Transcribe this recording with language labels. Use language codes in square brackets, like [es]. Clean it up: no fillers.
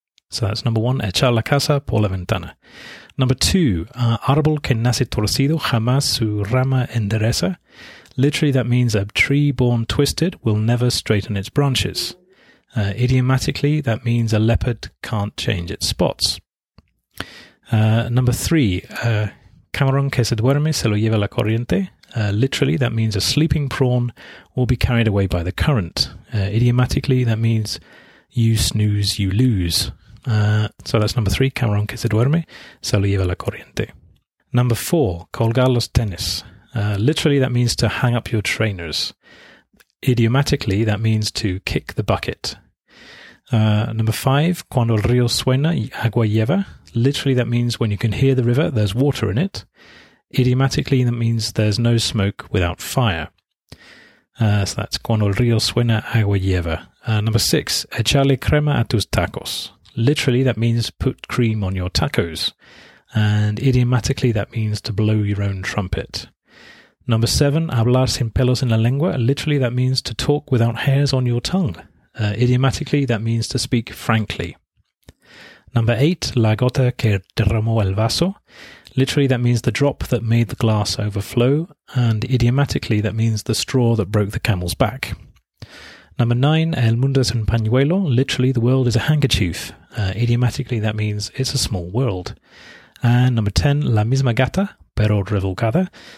[en] So that's number one, [es] echar la casa por la ventana. [en] Number two, [es] árbol que nace torcido, jamás su rama endereza. [en] Literally, that means a tree born twisted will never straighten its branches. Idiomatically, that means a leopard can't change its spots. Number three, [es] camarón que se duerme se lo lleva la corriente. [en] Literally, that means a sleeping prawn will be carried away by the current. Idiomatically, that means you snooze, you lose. So that's number three, [es] camarón que se duerme, se lo lleva la corriente. [en] Number four, [es] colgar los tenis. [en] Literally, that means to hang up your trainers. Idiomatically, that means to kick the bucket. Number five, [es] cuando el río suena, agua lleva. [en] Literally, that means when you can hear the river, there's water in it. Idiomatically, that means there's no smoke without fire. So that's [es] cuando el río suena, agua lleva. [en] Number six, [es] echarle crema a tus tacos. [en] Literally, that means put cream on your tacos. And idiomatically, that means to blow your own trumpet. Number seven, [es] hablar sin pelos en la lengua. [en] Literally, that means to talk without hairs on your tongue. Idiomatically, that means to speak frankly. Number eight, [es] la gota que derramó el vaso. [en] Literally, that means the drop that made the glass overflow. And idiomatically, that means the straw that broke the camel's back. Number nine, [es] el mundo es un pañuelo. [en] Literally, the world is a handkerchief. Idiomatically, that means it's a small world. And number 10, [es] la misma gata, pero revolcada.